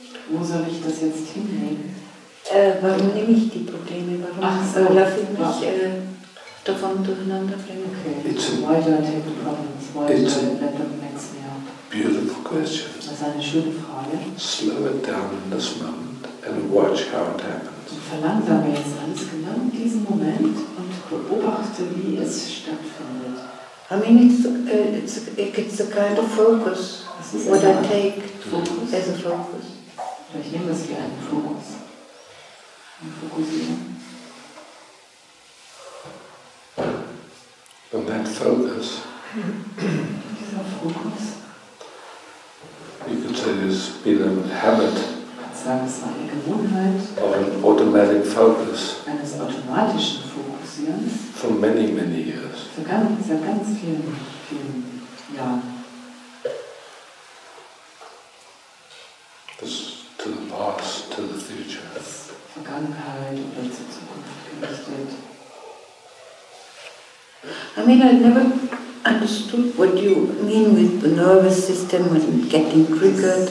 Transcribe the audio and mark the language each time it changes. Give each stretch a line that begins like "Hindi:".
German: Wo soll ich das jetzt hinlegen? Warum nehme ich die Probleme? Warum lasse ich mich davon durcheinander bringen? Okay.
English: Why do I take the problems? Why do I let them mix me up? Beautiful question.
German: Das ist eine schöne Frage.
English: Slow it down in this moment and watch how it happens.
German: Verlangsame jetzt alles genau in diesem Moment und beobachte, wie es stattfindet.
English: I mean, it's a kind of focus, what I take focus? As a focus.
German: Vielleicht nehmen wir es wie einen Fokus. Und fokussieren.
English: And that focus.
German: Dieser Fokus.
English: You could say it's been a habit. Of an automatic focus.
German: Eines automatischen Fokussierens.
English: For many, many years.
German: Für ganz, ganz vielen, vielen Jahren.
English: This to the past, to the future.
German: Das Vergangenheit oder zur Zukunft gerichtet. I mean, I never understood what you mean with the nervous system with getting triggered